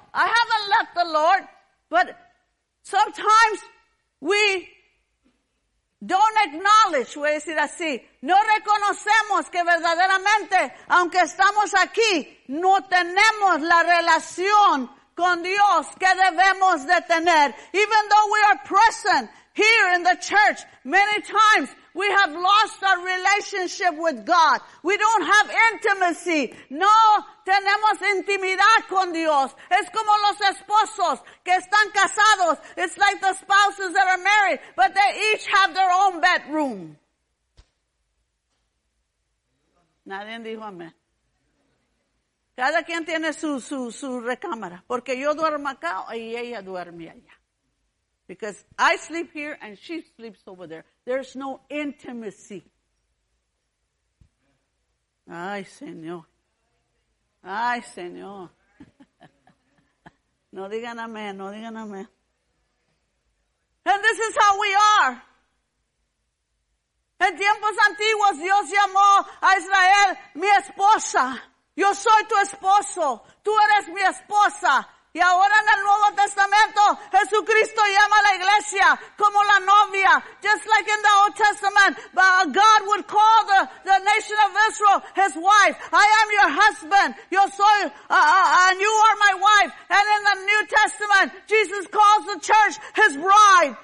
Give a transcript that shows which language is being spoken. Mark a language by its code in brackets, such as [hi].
[en] I haven't left the Lord. But sometimes we don't acknowledge, [es] voy a decir así. No reconocemos que verdaderamente, aunque estamos aquí, no tenemos la relación con Dios que debemos de tener. [en] Even though we are present here in the church, many times we have lost our relationship with God. We don't have intimacy. [es] No tenemos intimidad con Dios. Es como los esposos que están casados. [en] It's like the spouses that are married, but they each have their own bedroom. [es] Nadie dijo amén. Cada quien tiene su recámara, porque yo duermo acá y ella duerme allá. [en] Because I sleep here and she sleeps over there. There's no intimacy. [es] Ay, Señor. Ay, Señor. No digan amén, no digan amén. [en] And this is how we are. [es] En tiempos antiguos, Dios llamó a Israel, mi esposa. Yo soy tu esposo. Tú eres mi esposa. Y ahora en el Nuevo Testamento, Jesucristo llama a la iglesia como la novia. [en] Just like in the Old Testament, God would call the nation of Israel his wife. I am your husband. [es] Yo soy, [en] and you are my wife. And in the New Testament, Jesus calls the church his bride.